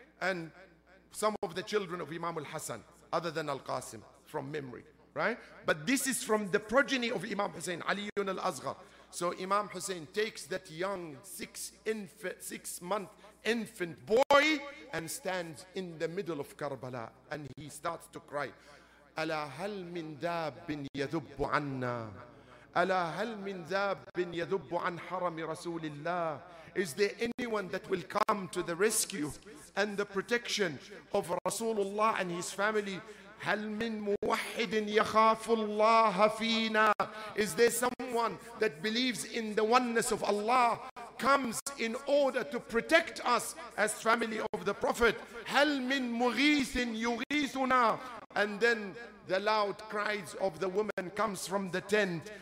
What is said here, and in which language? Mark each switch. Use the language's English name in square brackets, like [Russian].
[English] And some of the children of Imam al-Hassan, other than al-Qasim, from memory, right? But this is from the progeny of Imam Hussein, Ali ibn al-Asghar. So Imam Hussein takes that young six-month infant boy and stands in the middle of Karbala, and he starts to cry. [Arabic] ألا هل من ذاب يذب عنا ألا هل من ذاب يذب عن حرم رسول الله. [English] Is there anyone that will come to the rescue and the protection of Rasulullah and his family? [Arabic] هل من موحد يخاف الله فينا. [English] Is there someone that believes in the oneness of Allah comes in order to protect us as family of the Prophet? [Arabic] هل من مغيث يغيثنا. [English] And then the loud cries of the woman comes from the tent.